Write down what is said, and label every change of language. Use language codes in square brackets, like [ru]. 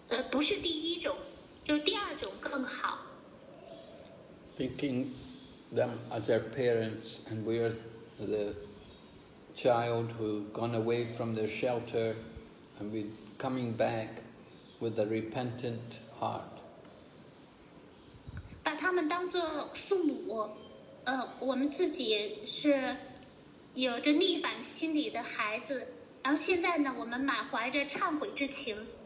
[zh] 不是第一种，就是第二种更好。 [en] Thinking them as their parents, and we are the child who gone away from their shelter, and we coming back with a repentant heart. [zh] 把他们当作父母，我们自己是有着逆反心理的孩子，然后现在呢，我们满怀着忏悔之情。